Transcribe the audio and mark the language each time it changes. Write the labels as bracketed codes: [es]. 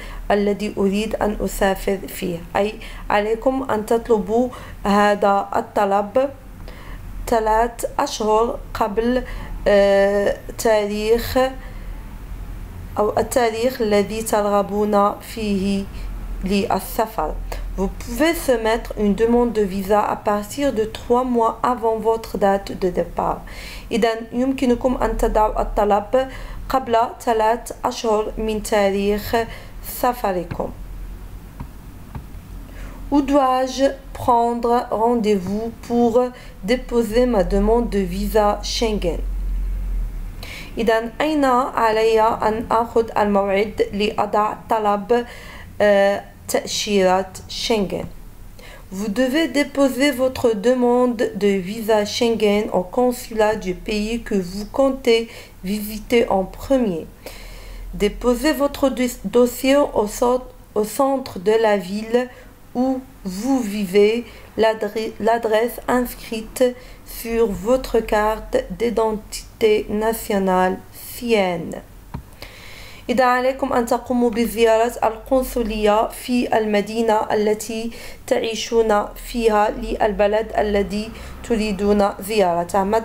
[ar] الذي أريد أن أسافر فيه؟ أي عليكم أن تطلبوا هذا الطلب 3 أشهر قبل تاريخ أو التاريخ الذي ترغبون فيه للسفر. [fr] Vous pouvez soumettre une demande de visa à partir de 3 mois avant votre date de départ. [ar] إذا يمكنكم أن تضعوا الطلب قبل 3 أشهر من تاريخ سفركم. [fr] Où dois-je prendre rendez-vous pour déposer ma demande de visa Schengen؟ [ar] إذا أين علي أن آخذ الموعد لأضع طلب تأشيرة شنغن؟ [fr] Vous devez déposer votre demande de visa Schengen au consulat du pays que vous comptez visiter en premier. Déposez votre dossier au centre de la ville où vous vivez, l'adresse inscrite sur votre carte d'identité nationale sienne. [ar] إذا عليكم أن تقوموا بزيارة القنصلية في المدينة التي تعيشون فيها للبلد الذي تريدون زيارته.